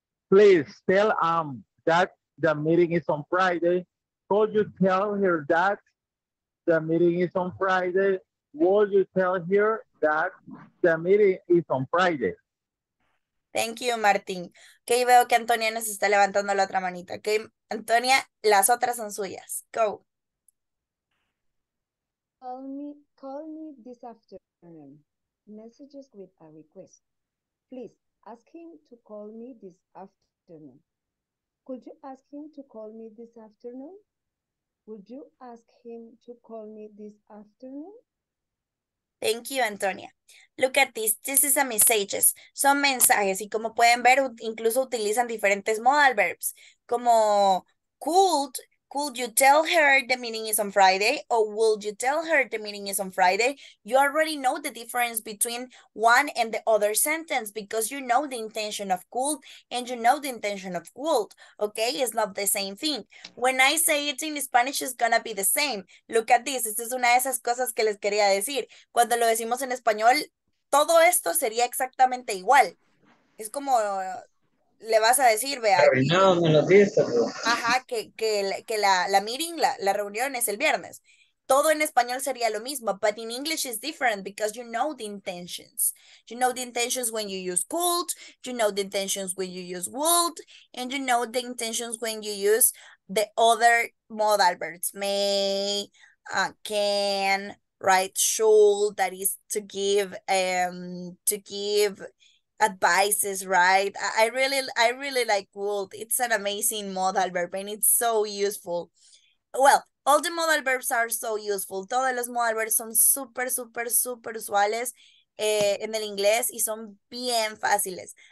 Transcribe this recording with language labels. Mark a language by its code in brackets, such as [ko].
[en] Please tell that the meeting is on Friday. Could you tell her that the meeting is on Friday? Would you tell here that the meeting is on Friday? Thank you, Martín. [es] Ok, veo que Antonia nos está levantando la otra manita. Ok, Antonia, las otras son suyas. Go. [en] Call me this afternoon. Messages with a request. Please ask him to call me this afternoon. Could you ask him to call me this afternoon? Would you ask him to call me this afternoon? Thank you, Antonia. Look at this. This is a messages. [es] Son mensajes y como pueden ver, incluso utilizan diferentes modal verbs, como [en] could you tell her the meeting is on Friday? Or would you tell her the meeting is on Friday? You already know the difference between one and the other sentence because you know the intention of could and you know the intention of would. Okay, it's not the same thing. When I say it in Spanish, it's gonna be the same. Look at this. [es] Esta es una de esas cosas que les quería decir. Cuando lo decimos en español, todo esto sería exactamente igual. Es como le vas a decir, vea, No, me lo dice, pero... ajá, que la meeting, la reunión es el viernes. Todo en español sería lo mismo, [en] but in English is different because you know the intentions. You know the intentions when you use could, you know the intentions when you use would, and you know the intentions when you use the other modal verbs. May, can, right, should, that is to give advices, right? I really like would. It's an amazing modal verb and it's so useful. Well, all the modal verbs are so useful. [es] Todos los modal verbs son súper, súper, súper usuales en el inglés y son bien fáciles.